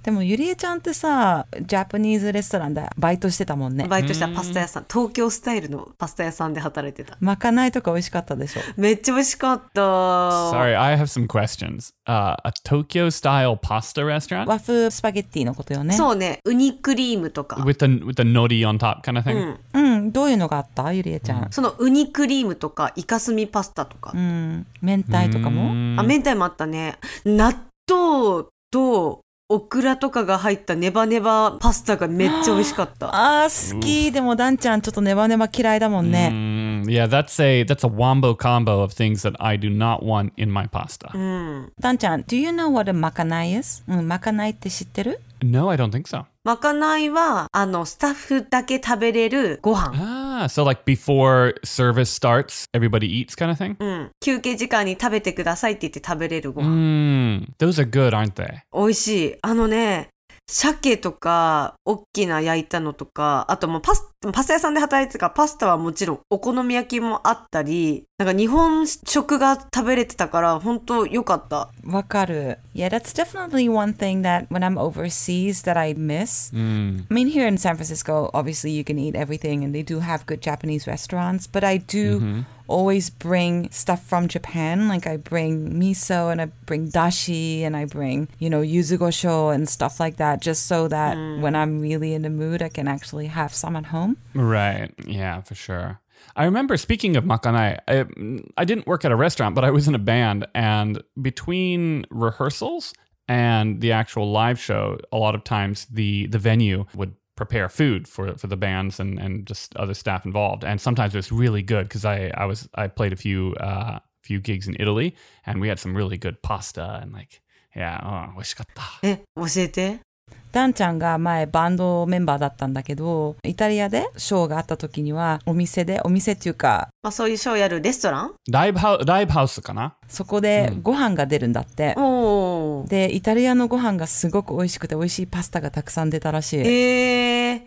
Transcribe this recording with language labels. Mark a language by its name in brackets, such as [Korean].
[Japanese] でもゆりえちゃんってさ、ジャパニーズレストランでバイトしてたもんね。バイトしたパスタ屋さん、東京スタイルのパスタ屋さんで働いてた。まかないとか美味しかったでしょ。めっちゃ美味しかった。 [English] Sorry, I have some questions. A Tokyo style pasta restaurant? [Japanese] 和風スパゲッティのことよね。そうね、ウニクリームとか [English] With the nori on top kind of thing? [Japanese] どういうのがあった、ゆりえちゃん。そのウニクリームとかイカスミパスタとか、明太とかも、明太もあったね。納豆とオクラとかが入ったネバネバパスタがめっちゃ美味しかった。あ、好き。でもダンちゃんちょっとネバネバ嫌いだもんね。 [English] Yeah, that's a wombo combo of things that I do not want in my pasta. Dan-chan, do you know what a makanai is? Makanai [Japanese] って知ってる? [English] No, I don't think so. [Japanese] Makanai はあのスタッフだけ食べれるご飯。 [English] Ah, so like before service starts, everybody eats kind of thing? [Japanese] 休憩時間に食べてくださいって言って食べれるご飯。 [English] Those are good, aren't they? [Japanese] 美味しい。あのね、鮭とか大きな焼いたのとか、あともうパスタ屋さんで働いてたから、パスタはもちろんお好み焼きもあったり、なんか日本食が食べれてたから本当良かった。わかる。 [English] Yeah, that's definitely one thing that when I'm overseas that I miss. I mean, here in San Francisco, obviously you can eat everything and they do have good Japanese restaurants, but I do always bring stuff from Japan. Like I bring miso and I bring dashi and I bring, you know, yuzu gosho and stuff like that, just so that when I'm really in the mood, I can actually have some at home. Right. Yeah, for sure. I remember, speaking of makanai, I didn't work at a restaurant, but I was in a band, and between rehearsals and the actual live show, a lot of times the venue would prepare food for the bands and just other staff involved. And sometimes it was really good, because I played a few gigs in Italy, and we had some really good pasta, and like, yeah, oh, [Japanese] 美味しかった。え、教えて。ダンちゃんが前バンドメンバーだったんだけど、イタリアでショーがあった時にはお店っていうか、まあ、そういうショーやるレストラン、ライブハウスかな、そこでご飯が出るんだって、うん、でイタリアのご飯がすごく美味しくて、美味しいパスタがたくさん出たらしい。